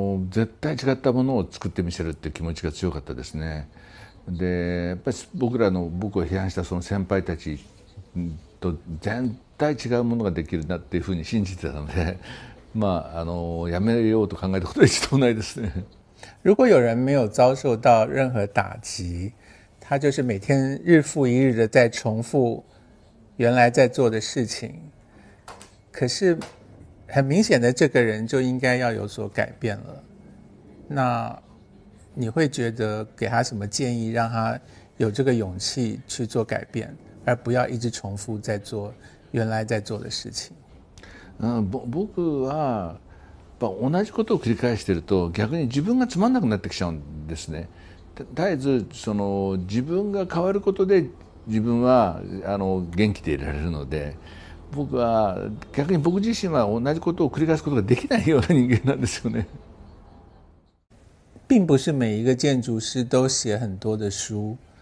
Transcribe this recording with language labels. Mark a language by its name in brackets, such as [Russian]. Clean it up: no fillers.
[Japanese] 絶対違ったものを作ってみせるっていう気持ちが強かったですね。で、やっぱり僕を批判したその先輩たちと全体違うものができるなっていうふうに信じてたので、まあ、やめようと考えたことは一度もないですね。 [Chinese] 如果有人没有遭受到任何打击，他就是每天日复一日的在重复原来在做的事情，可是很明显的，这个人就应该要有所改变了。那你会觉得给他什么建议，让他有这个勇气去做改变，而不要一直重复在做原来在做的事情？ [Japanese] 僕は同じことを繰り返していると逆に自分がつまんなくなってきちゃうんですね。絶えずその自分が変わることで自分は元気でいられるので、僕は逆に僕自身は同じことを繰り返すことができないような人間なんですよね。 [Chinese] 并不是每一个建筑师都写很多的书。